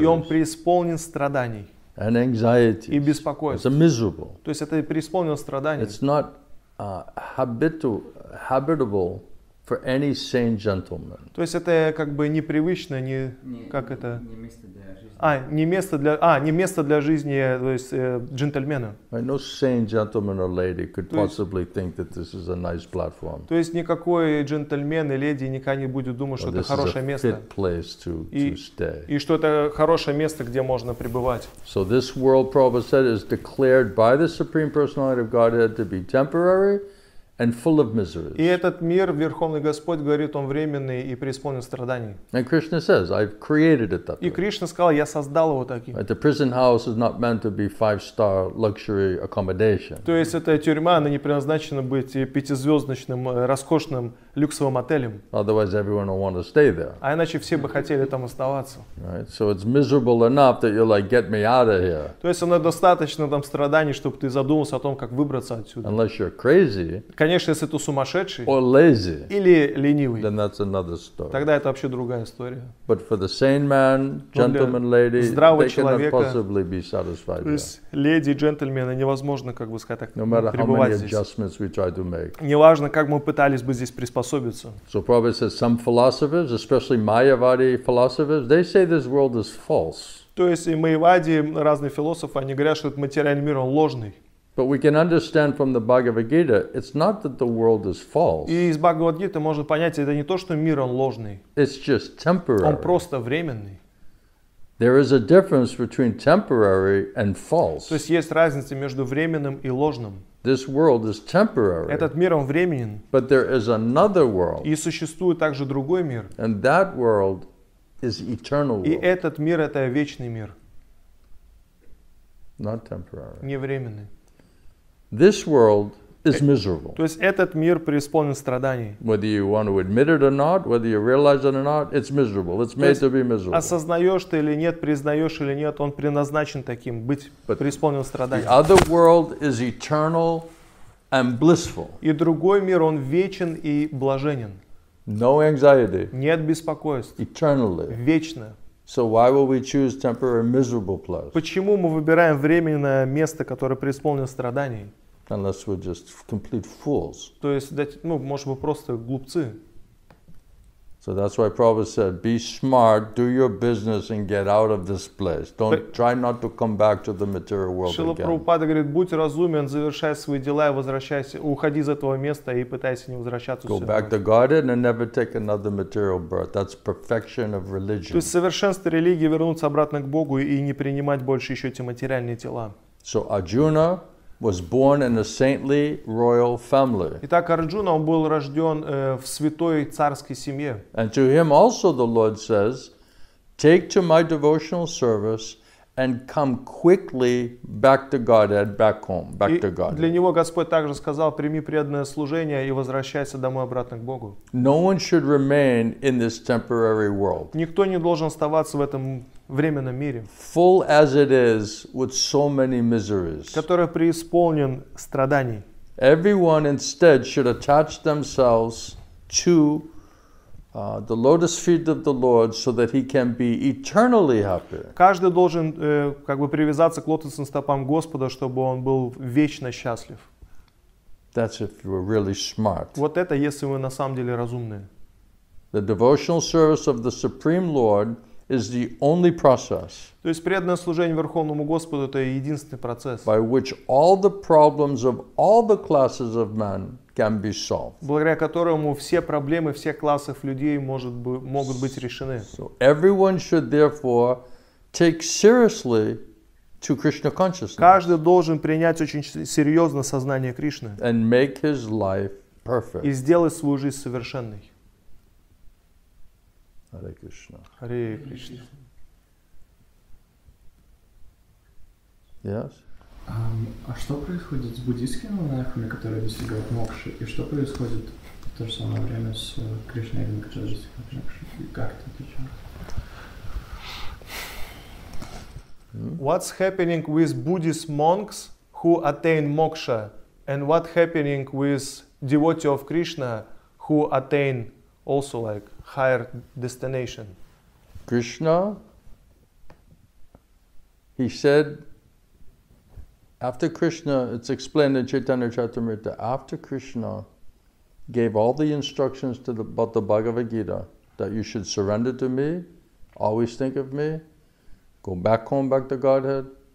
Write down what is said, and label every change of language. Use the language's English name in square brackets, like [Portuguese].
[Russian] И он преисполнен страданий. [English] And anxiety. [Russian] И беспокойство. [English] It's a miserable. [Russian] То есть это преисполнено страданий. [English] It's not habitable for any sane gentleman. [Russian] То есть это как бы непривычно, не как это. Не место для жизни, то есть джентльмена. [English] No sane gentleman or lady could possibly think that this is a nice platform. [Russian] То есть никакой джентльмен или леди никогда не будет думать, что это хорошее место. [English] Fit place to stay. [Russian] И что это хорошее место, где можно пребывать. [English] So this world, Prabhupada said, is declared by the Supreme Personality of Godhead to be temporary and full of miseries. [Russian] И этот мир, Верховный Господь говорит, он временный и преисполнен страданий. [English] And Krishna says, I've created it that way. [Russian] И Кришна сказал, я создал его таким. [English] The prison house is not meant to be five-star luxury accommodation. [Russian] То есть эта тюрьма, она не предназначена быть пятизвездочным роскошным люксовым отелем. [English] Otherwise, everyone will want to stay there. [Russian] А иначе все бы хотели там оставаться. [English] Right? So it's miserable enough that you're like, get me out of here. [Russian] То есть оно достаточно там страданий, чтобы ты задумался о том, как выбраться отсюда. [English] Unless you're crazy. [Russian] Конечно, если ты сумасшедший [English] lazy, [Russian] или ленивый, [English] then that's another story. [Russian] Тогда это вообще другая история. [English] But for the sane man, gentleman, lady, [Russian] здравого [English] they [Russian] человека, [English] cannot possibly be satisfied [Russian] то есть [English] there. [Russian] Леди, джентльмены, невозможно, как бы сказать так, [English] no matter how many [Russian] здесь. [English] Adjustments we try to make. [Russian] Неважно, как мы пытались бы здесь приспособиться. [English] So Prabhupada says some philosophers, especially Mayavadi philosophers, they say this world is false. [Russian] То есть и Майявади, разные философы, они говорят, что этот материальный мир он ложный. [English] But we can understand from the Bhagavad Gita, it's not that the world is false. [Russian] И из Бхагавад Гиты можно понять, это не то, что мир он ложный. [English] It's just temporary. [Russian] Он просто временный. [English] There is a difference between temporary and false. [Russian] То есть есть разница между временным и ложным. [English] This world is temporary. [Russian] Этот мир он временен. [English] But there is another world. [Russian] И существует также другой мир. [English] And that world is eternal world. [Russian] И этот мир это вечный мир. [English] Not temporary. [Russian] Не временный. [English] This world is miserable. [Russian] То есть этот мир преисполнен страданий. [English] Whether you want to admit it or not, whether you realize it or not, it's miserable. It's made to be miserable. [Russian] Осознаешь ты или нет, признаешь или нет, он предназначен таким быть преисполнен страданий. [English] The other world is eternal and blissful. [Russian] И другой мир он вечен и блаженен. [English] No anxiety. [Russian] Нет беспокойств. [English] Eternally. [Russian] Вечно. [English] So why will we choose temporary miserable place? [Russian] Почему мы выбираем временное место, которое преисполнено страданий? [English] Unless we're just complete fools. [Russian] То есть, ну, может быть, просто глупцы. [English] So that's why Prabhupada said, be smart, do your business and get out of this place. Don't try not to come back to the material world again. [Russian] Шрила Прабхупада говорит, будь разумен, завершай свои дела и возвращайся, уходи из этого места и пытайся не возвращаться. [English] Go back to Godhead and never take another material birth. That's perfection of religion. [Russian] То есть совершенство религии вернуться обратно к Богу и не принимать больше еще эти материальные тела. [English] So Arjuna was born in a saintly royal family. [Russian] Итак, Арджуна, он был рожден в святой царской семье. [English] And to him also the Lord says, take to my devotional service and come quickly back to Godhead, back home, back [Russian] и [English] to God. [Russian] Для него Господь также сказал, прими преданное служение и возвращайся домой обратно к Богу. [English] No one should remain in this temporary world. [Russian] Никто не должен оставаться в этом временном мире. [English] Full as it is with so many miseries. [Russian] Который преисполнен страданий. [English] Everyone instead should attach themselves to the lotus feet of the Lord so that he can be eternally happy. [Russian] Каждый должен как бы привязаться к лотосным стопам Господа, чтобы он был вечно счастлив. [English] That's if you were really smart. [Russian] Вот это если вы на самом деле разумные. [English] The devotional service of the Supreme Lord is the only process. [Russian] То есть преданное служение Верховному Господу это единственный процесс. [English] By which all the problems of all the classes of men can be solved. [Russian] Благодаря которому все проблемы всех классов людей могут быть решены. [English] So everyone should therefore take seriously to Krishna consciousness. [Russian] Каждый должен принять очень серьезно сознание Кришны. [English] And make his life perfect. [Russian] И сделать свою жизнь совершенной. [English] Hare Krishna. Hare Krishna. Yes? [Russian] А что происходит с буддийскими монахами, которые достигают мокши? И что происходит в то же самое время с Кришной или Кришной? Как это отличается? [English] What's happening with Buddhist monks who attain moksha, and what happening with devotee of Krishna who attain also like higher destination? Krishna, he said, after Krishna, it's explained in Chaitanya Charitamrita, after Krishna gave all the instructions to about the Bhagavad Gita that you should surrender to me, always think of me, go back home, back to Godhead.